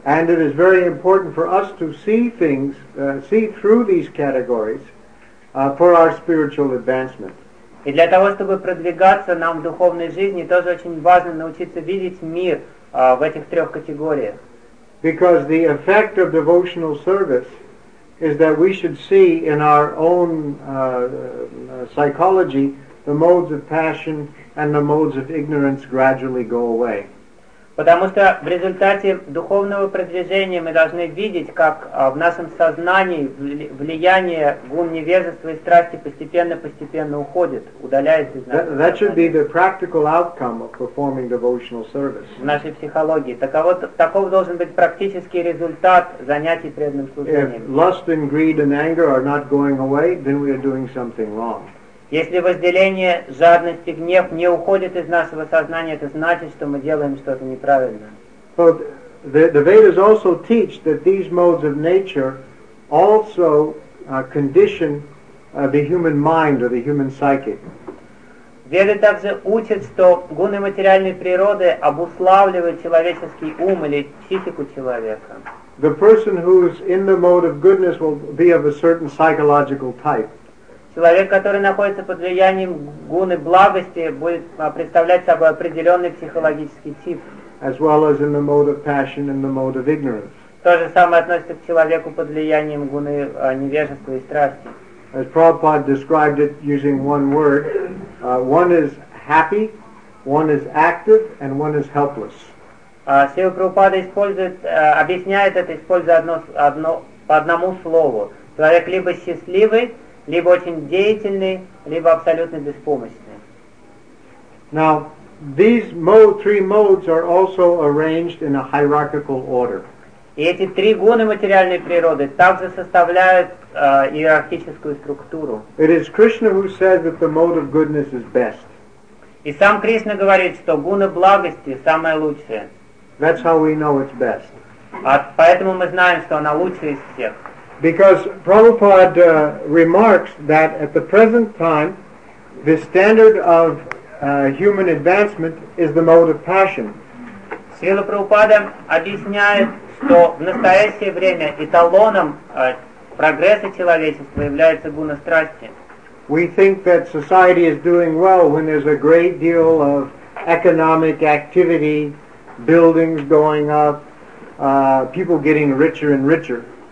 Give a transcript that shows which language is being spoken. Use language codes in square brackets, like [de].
[en] And it is very important for us to see things, see through these categories, for our spiritual advancement. [ru] И для того, чтобы продвигаться нам в духовной жизни, тоже очень важно научиться видеть мир в этих трех категориях. [en] Because the effect of devotional service is that we should see in our own psychology the modes of passion and the modes of ignorance gradually go away. [ru] Потому что в результате духовного продвижения мы должны видеть, как в нашем сознании влияние гун невежества и страсти постепенно уходит, удаляется из нашего сознания. [en] That should be the practical outcome of performing devotional service. [ru] В нашей психологии. Таков должен быть практический результат занятий преданным служением. [en] If lust and greed and anger are not going away, then we are doing something wrong. [ru] Если вожделение, жадность и гнев не уходят из нашего сознания, это значит, что мы делаем что-то неправильно. [en] But the Vedas also teach that these modes of nature also condition the human mind or the human psyche. [ru] Веды также учат, что гуны материальной природы обуславливают человеческий ум или психику человека. [en] The person who is in the mode of goodness will be of a certain psychological type. [ru] Человек, который находится под влиянием гуны благости, будет представлять собой определенный психологический тип. [en] As well as in the mode of passion and the mode of ignorance. [ru] То же самое относится к человеку под влиянием гуны невежества и страсти. [en] As Prabhupada described it using one word, one is happy, one is active, and one is helpless. [ru] Сила Прабхупада объясняет это, используя по одному слову. Человек либо счастливый, либо очень деятельный, либо абсолютно беспомощный. [en] Now, these three modes are also arranged in a hierarchical order. [ru] И эти три гуны материальной природы также составляют иерархическую структуру. [en] It is Krishna who says that the mode of goodness is best. [ru] И сам Кришна говорит, что гуна благости самая лучшая. [en] That's how we know it's best. [ru] Поэтому мы знаем, что она лучшая из всех. [en] Because Prabhupada remarks that at the present time, the standard of human advancement is the mode of passion. [ru] Srila Prabhupada объясняет, что в настоящее время эталоном прогресса человечества является гуна страсти. [en] We think that society is doing well when there's a great deal of economic activity, buildings going up, people getting richer and richer.